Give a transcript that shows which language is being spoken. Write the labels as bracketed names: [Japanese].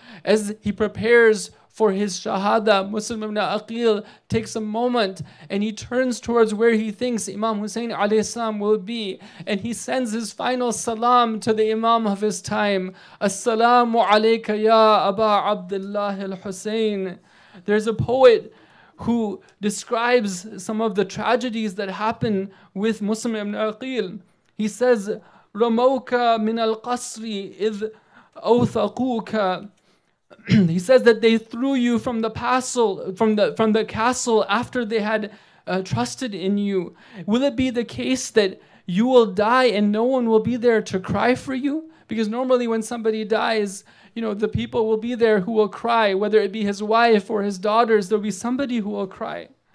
[English] As he prepares for his shahada, Muslim ibn Aqil takes a moment and he turns towards where he thinks Imam Hussein alayhi salam will be, and he sends his final salam to the Imam of his time. [Arabic] As-salamu alayka ya Aba Abdullah al-Hussein. [English] There's a poet who describes some of the tragedies that happen with Muslim ibn Aqil. He says, [Arabic] رَمَوْكَ مِنَ الْقَصْرِ إِذْ أَوْثَقُوكَ. [English] He says that they threw you from the castle, from the castle after they had trusted in you. Will it be the case that you will die and no one will be there to cry for you? Because normally when somebody dies, you know, the people will be there who will cry, whether it be his wife or his daughters, there'll be somebody who will cry.